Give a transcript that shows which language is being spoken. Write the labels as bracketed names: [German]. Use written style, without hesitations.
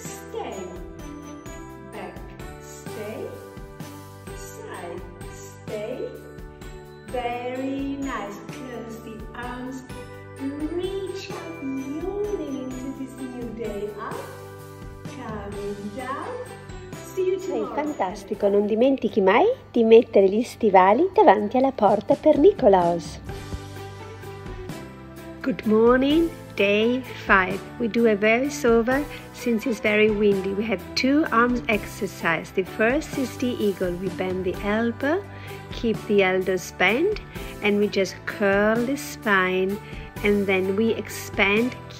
[English] Stay, back, stay, side, stay, very nice, close the arms, reach up, yawning into this new day, up, coming down, see you tomorrow. [Italian] Sei fantastico, non dimentichi mai di mettere gli stivali davanti alla porta per Nikolaus. [English] Good morning. Day five. We do a voice over since it's very windy. We have two arms exercise. The first is the eagle. We bend the elbow, keep the elbows bent, and we just curl the spine, and then we expand, keep